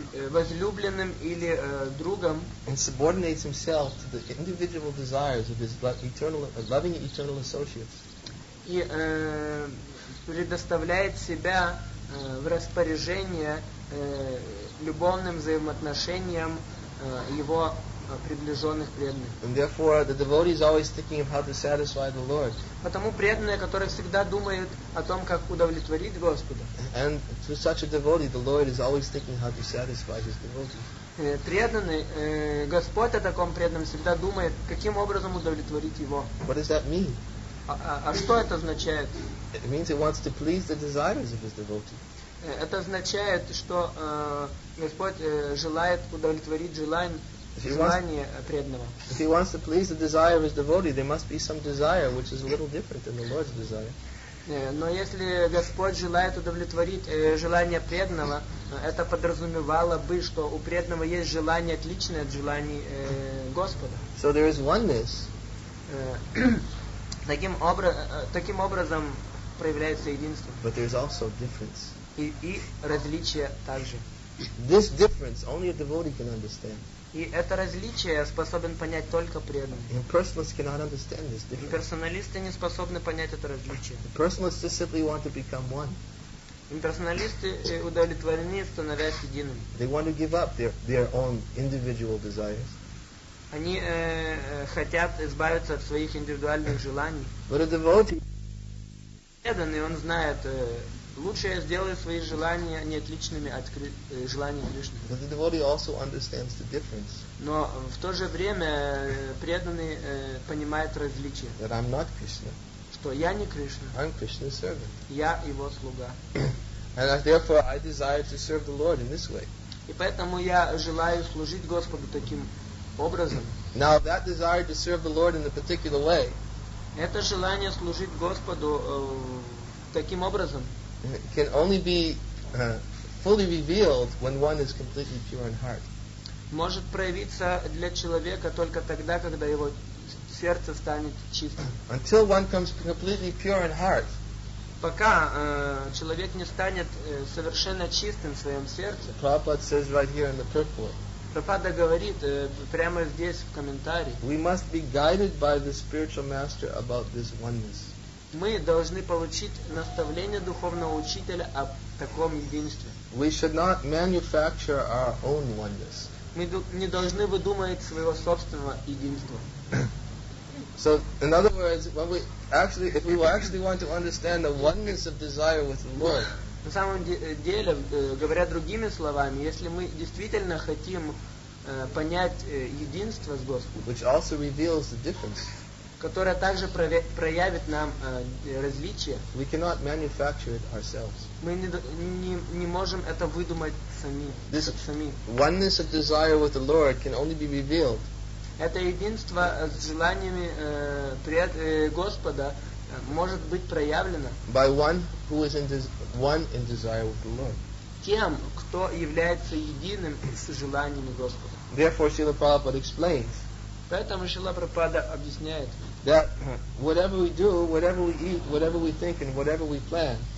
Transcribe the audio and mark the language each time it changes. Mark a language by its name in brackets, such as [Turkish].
[Russian] Возлюбленным или другом. [English] And subordinates himself to the individual desires of his eternal, loving eternal associates. [Russian] И предоставляет себя в распоряжение любовным взаимоотношениям его приближенных преданных. [English] And therefore, the devotee is always thinking of how to satisfy the Lord. [Russian] Потому преданные, которые всегда думают о том, как удовлетворить Господа. [English] And to such a devotee, the Lord is always thinking how to satisfy his devotee. [Russian] Преданный, Господь о таком преданном всегда думает, каким образом удовлетворить его. [English] What does that mean? [Russian] А что это означает? [English] It means he wants to please the desires of his devotee. [Russian] Это означает, что Господь желает удовлетворить желание преданного. [English] If he wants to please the desire of his devotee, there must be some desire which is a little different than the Lord's desire. [Russian] Но если Господь желает удовлетворить желание преданного, это подразумевало бы, что у преданного есть желание отличное от желаний Господа. [English] So there is oneness. [Russian] Таким образом проявляется единство. [English] But there is also difference. [Russian] И различия также. [English] This difference only a devotee can understand. [Russian] И это различие способен понять только преданный. [English] And personalists cannot understand this difference. [Russian] Имперсоналисты не способны понять это различие. [English] The personalists just simply want to become one. [Russian] Имперсоналисты удовлетворены, становясь единым. [English] They want to give up their own individual desires. [Russian] Они хотят избавиться от своих индивидуальных желаний. [English] But a devotee, [Russian] преданный, он знает. Лучше я сделаю свои желания неотличными от желаний Кришны. [English] But the devotee also understands the difference. [Russian] Но в то же время преданный понимает различие. [English] That I'm not Krishna. [Russian] Что я не Кришна. [English] I'm Krishna's servant. [Russian] Я его слуга. [English] And therefore I desire to serve the Lord in this way. [Russian] И поэтому я желаю служить Господу таким образом. [English] Now that desire to serve the Lord in a particular way. [Russian] Это желание служить Господу таким образом. [English] Can only be fully revealed when one is completely pure in heart. [Russian] Может проявиться для человека только тогда, когда его сердце станет чистым. [English] Until one comes completely pure in heart. [Russian] Пока человек не станет совершенно чистым в своем сердце. [English] Prabhupada says right here in the purport. [Russian] Прабхупада говорит прямо здесь в комментарии. [English] We must be guided by the spiritual master about this oneness. [Russian] Мы должны получить наставление духовного учителя о таком единстве. [English] We should not manufacture our own oneness. [Russian] Мы не должны выдумывать своего собственного единства. [English] So, in other words, when we actually, if we actually want to understand the oneness of desire with the Lord. [Russian] На самом деле, говоря другими словами, если мы действительно хотим понять единство с Господом. [English] Which also reveals the difference. [Russian] Которая также проявит нам различия. [English] We cannot manufacture it ourselves. [Russian] Мы не можем это выдумать сами. [English] This [Russian] сами. [English] Oneness of desire with the Lord can only be revealed. [Russian] Это единство с желаниями Господа может быть проявлено. [English] By one who is one in desire with the Lord. [Russian] Тем, кто является единым с желаниями Господа. [English] Therefore, Srila Prabhupada explains. [Russian] Поэтому Шрила Прабхупада объясняет. [English] That whatever we do, whatever we eat, whatever we think, and whatever we plan,